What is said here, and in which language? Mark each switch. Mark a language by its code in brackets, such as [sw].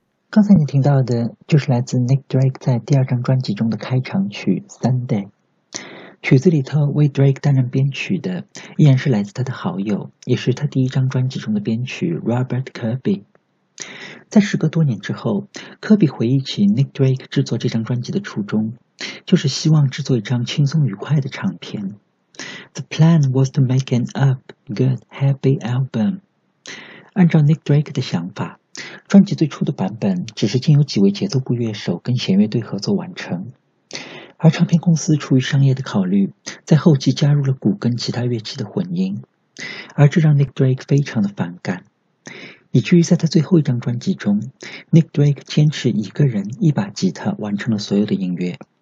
[zh] 刚才你听到的就是来自 Nick Drake 在第二张专辑中的开场曲 Sunday， 曲子里头为 Drake 担任编曲的依然是来自他的好友，也是他第一张专辑中的编曲 Robert Kirby。在时隔多年之后，科比回忆起 Nick Drake 制作这张专辑的初衷，就是希望制作一张轻松愉快的唱片。 [en] The plan was to make an up, good, happy album。 [zh] 按照 Nick Drake 的想法，专辑最初的版本只是经由几位节奏部乐手跟弦乐队合作完成，而唱片公司出于商业的考虑，在后期加入了鼓跟其他乐器的混音，而这让 Nick Drake 非常的反感，以至于在他最后一张专辑中 Nick Drake 坚持一个人一把吉他完成了所有的音乐。